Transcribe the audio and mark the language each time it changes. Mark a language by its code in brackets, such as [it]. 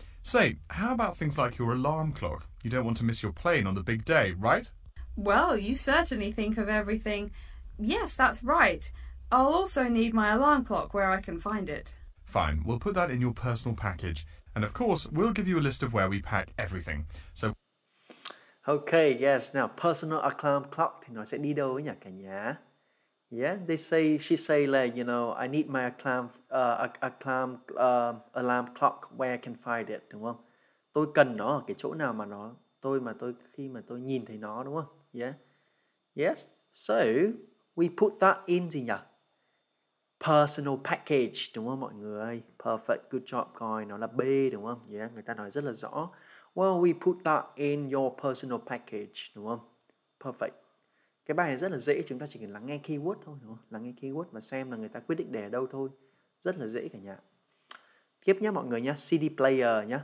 [en] Say, how about things like your alarm clock? You don't want to miss your plane on the big day, right? Well, you certainly think of everything. Yes, that's right. I'll also need my alarm clock where I can find it. Fine, we'll put that in your personal package. And of course, we'll give you a list of where we pack everything. So, okay, yes. Now, personal alarm clock [vi] thì nó sẽ đi đâu ấy nhỉ cả nhà? [en] Yeah, they say she say like you know, I need my alarm clock where I can find it, [vi] đúng không? Tôi cần nó ở cái chỗ nào mà nó tôi mà tôi khi mà tôi nhìn thấy nó đúng không? [en] Yeah, yes. So we put that in [vi] gì nhỉ? [en] Personal package, [vi] đúng không mọi người? [en] Perfect, good job, coin. [vi] Nó là B, đúng không? Yeah, người ta nói rất là rõ. [en] Well, we put that in your personal package, [vi] đúng không? [en] Perfect. [vi] Cái bài này rất là dễ, chúng ta chỉ cần lắng nghe keyword thôi, đúng không? Lắng nghe keyword và xem là người ta quyết định để ở đâu thôi. Rất là dễ cả nhà. Tiếp nhé mọi người nhé, CD player nhé.